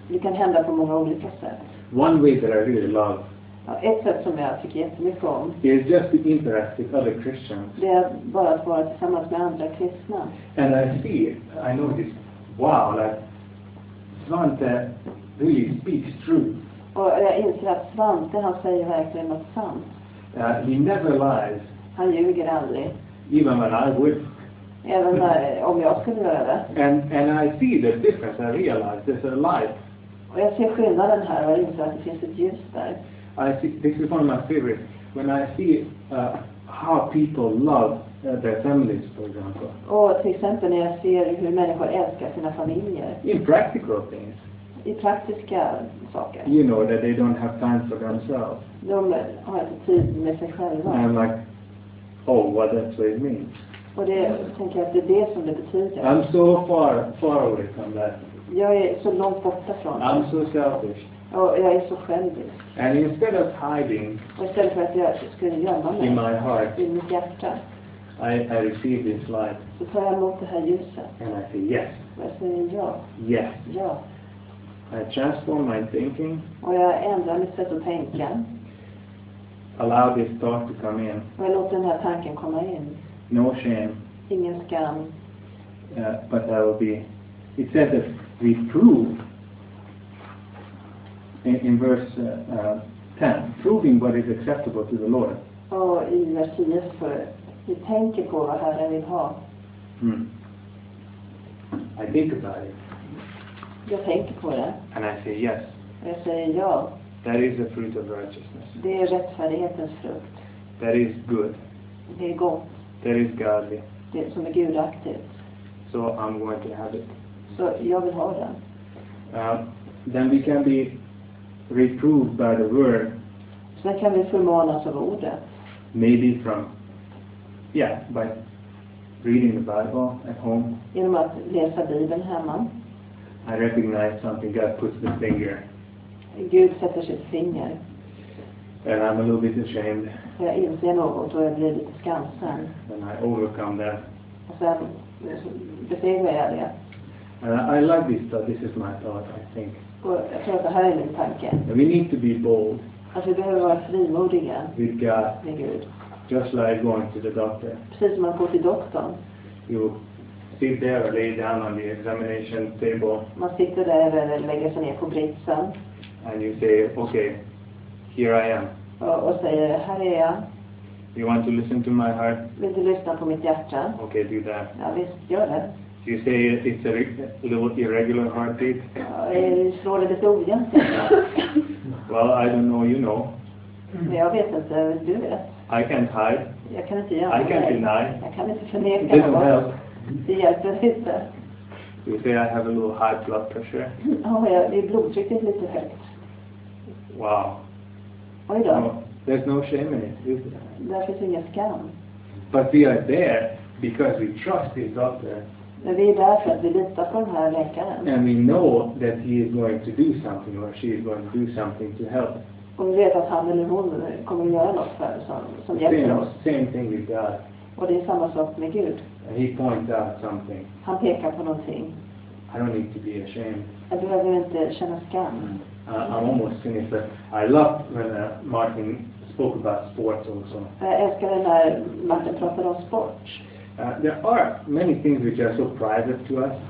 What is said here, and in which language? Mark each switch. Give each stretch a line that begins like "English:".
Swedish: Det kan hända på många olika sätt.
English: One way that I really love.
Swedish: Ett sätt som jag tycker jättemycket om.
English: Is just to interact with other Christians.
Swedish: Det är bara att vara tillsammans med andra kristna.
English: And I see, I notice, wow, like Svante really speaks truth.
Swedish: Och jag inser att Svante, han säger verkligen något sant.
English: He never lies.
Swedish: Han ljuger aldrig.
English: Even when I would.
Swedish: Även om jag skulle göra det.
English: And I see the difference. I realize there's a light.
Swedish: Och jag ser skillnaden här och inser att det finns ett ljus där.
English: I see, this is one of my favorites. When I see how people love their families, for example.
Swedish: Och till exempel när jag ser hur människor älskar sina familjer.
English: In practical things.
Swedish: I praktiska saker.
English: You know that they don't have time for themselves.
Swedish: De har inte tid med sig själva.
English: And like, oh, what that's what it means.
Swedish: Och det tänker jag att det är det som det betyder.
English: I'm so far, far away from that.
Swedish: Jag är så långt borta från det.
English: I'm so selfish.
Swedish: Och jag är så självisk.
English: And instead of hiding,
Swedish: och istället för att jag skulle gömma mig
English: in my heart,
Swedish: i mitt hjärta,
English: I receive this light.
Swedish: Så tar jag emot det här ljuset.
English: And I say yes.
Swedish: Och jag säger ja.
English: Yes.
Swedish: Ja.
English: I transform my thinking.
Swedish: Och jag ändrar mitt sätt att tänka.
English: Allow this thought to come in.
Swedish: Och jag låter den här tanken komma in.
English: No shame.
Swedish: Ingen skam.
English: But I will be. It says that we prove in verse 10, proving what is acceptable to the Lord.
Swedish: Oh, i vers 10 för vi tänker på vad Herren vill ha.
English: Mm. I think about it.
Swedish: Jag tänker på det.
English: And I say yes.
Swedish: Jag säger ja.
English: That is the fruit of righteousness.
Swedish: Det är rättfärdighetens frukt.
English: That is good.
Swedish: Det är gott.
English: That is godly.
Swedish: Det som är gudaktigt.
English: So I'm going to have it.
Swedish: Så jag vill ha den.
English: Then we can be reproved by the word.
Swedish: Så kan vi förmanas av ordet.
English: Maybe from, yeah, by reading the Bible at home.
Swedish: Genom att läsa Bibeln hemma.
English: I recognize something. God puts the finger.
Swedish: Gud sätter sitt finger.
English: And I'm a little bit ashamed.
Swedish: Jag inser något och jag blir lite skamsen.
English: And I overcome that.
Swedish: Och sen besegrar jag det.
English: And I like this thought. This is my thought, I think.
Swedish: Och jag tror att det här är min tanke.
English: And we need to be bold.
Swedish: Att vi behöver vara frimodiga.
English: With God.
Swedish: Med Gud.
English: Just like going to the doctor.
Swedish: Precis som man går till doktorn.
English: You sit there or lay down on the examination table.
Swedish: Man sitter där eller lägger sig ner på britsen.
English: And you say, okay, here I am.
Swedish: Och säger, här är jag.
English: You want to listen to my heart?
Swedish: Vill du lyssna på mitt hjärta?
English: Okay, do that.
Swedish: Ja, visst, gör det.
English: Do you say it's a little irregular heartbeat?
Swedish: Slår det lite ojämnt?
English: Well, I don't know, you know.
Swedish: Men jag vet inte, du vet.
English: I can't hide.
Swedish: Jag kan inte göra
English: I can't deny.
Swedish: Jag kan inte förneka.
English: It doesn't help.
Swedish: Det hjälper inte.
English: You say I have a little high blood pressure. Oh yeah, my blood pressure is a little high. Wow. Why don't? No, there's no shame in it. That is in your scam. But we are there because we trust this doctor.
Swedish: Men vi är där för att vi litar på den här läkaren.
English: And we know that he is going to do something or she is going to do something to help.
Swedish: Och vi vet att han eller hon kommer göra något för som hjälper oss.
English: Same thing with God.
Swedish: Och det är samma sak med Gud.
English: He points out something.
Swedish: Han pekar på någonting.
English: I don't need to be ashamed.
Swedish: Jag behöver inte känna skam. Mm.
English: I'm almost finished, but I love when Martin spoke about sports also.
Swedish: Jag älskar när Martin pratade om sport.
English: There are many things which are so private to us.